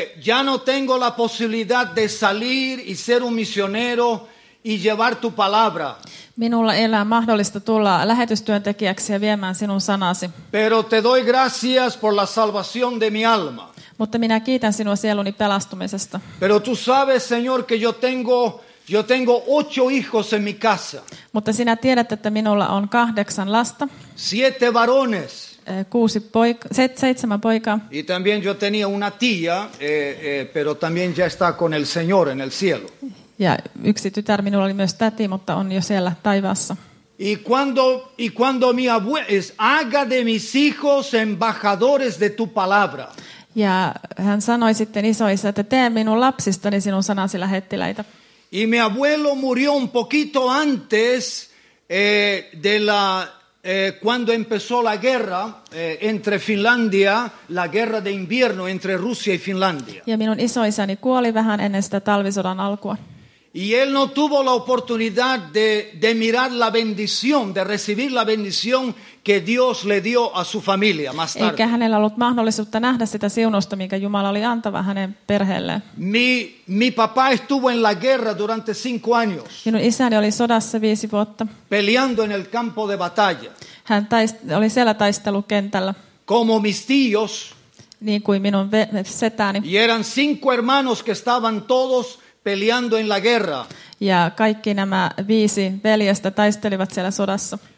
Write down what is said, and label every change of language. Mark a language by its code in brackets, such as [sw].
[es] Ya no tengo la posibilidad de salir y ser un misionero y llevar tu palabra. [fi] Minulla ei ole mahdollista tulla lähetystyöntekijäksi ja viemään sinun sanasi. [es] Pero te doy gracias por la salvación de mi alma. [fi] Mutta minä kiitän sinua sieluni pelastumisesta. [es] Pero tú sabes, Señor, que yo tengo 8 hijos en mi casa. [fi] Mutta sinä tiedät, että minulla on 8 lasta. [es] 7 varones. [fi] 7 poikaa. [es] Y también yo tenía una tía, pero también ya está con el Señor en el cielo. [fi] Ja yksi tytär minulla oli myös täti, mutta on jo siellä taivaassa. [es] Y cuando mi abuelo haga de mis hijos embajadores de tu palabra. [fi] Ja hän sanoi sitten isoisä, että tee minun lapsistani sinun sanasi lähettiläitä. [es] Y mi abuelo murió un poquito antes de la cuando empezó la guerra entre Finlandia, la guerra de invierno entre Rusia y Finlandia. [fi] Ja minun isoisäni kuoli vähän ennen sitä talvisodan alkua. [es] Y él no tuvo la oportunidad de mirar la bendición, de recibir la bendición que Dios le dio a su familia más tarde. [fi] Eikä hänellä ollut mahdollisuutta nähdä sitä siunosta, minkä Jumala oli antava hänen perheelleen. [es] Mi papá estuvo en la guerra durante 5 años. [fi] Minun isäni oli sodassa 5 vuotta. [es] Peleando en el campo de batalla. [fi] Hän oli siellä taistelukentällä. [es] Como mis tíos. [fi] Niin kuin minun setäni. [es] Y eran 5 hermanos que estaban todos peleando en la guerra. [fi] Ja kaikki nämä 5 veljestä taistelivat siellä sodassa.